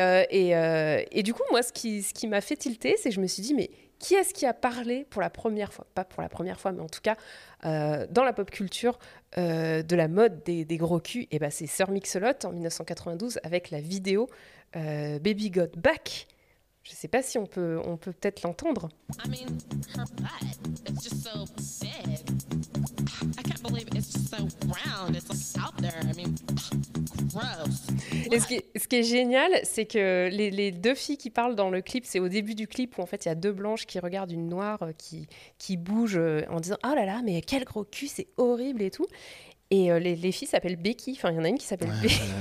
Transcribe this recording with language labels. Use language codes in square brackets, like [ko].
[fr] Et du coup, moi, ce qui m'a fait tilter, c'est que je me suis dit, mais qui est-ce qui a parlé pour la première fois, pas pour la première fois, mais en tout cas, dans la pop culture, de la mode des gros culs? Et bien, c'est Sir Mix-a-Lot en 1992 avec la vidéo Baby Got Back. Je sais pas si on peut peut-être l'entendre. [en] I mean, her butt, it's just so big. I can't believe it's just so round. It's like out there. I mean, gross. [fr] Ce qui est génial, c'est que les deux filles qui parlent dans le clip, c'est au début du clip où en fait il y a deux blanches qui regardent une noire qui bouge en disant oh là là, mais quel gros cul, c'est horrible et tout. Et les filles s'appellent Becky. Enfin, il y en a une qui s'appelle Becky.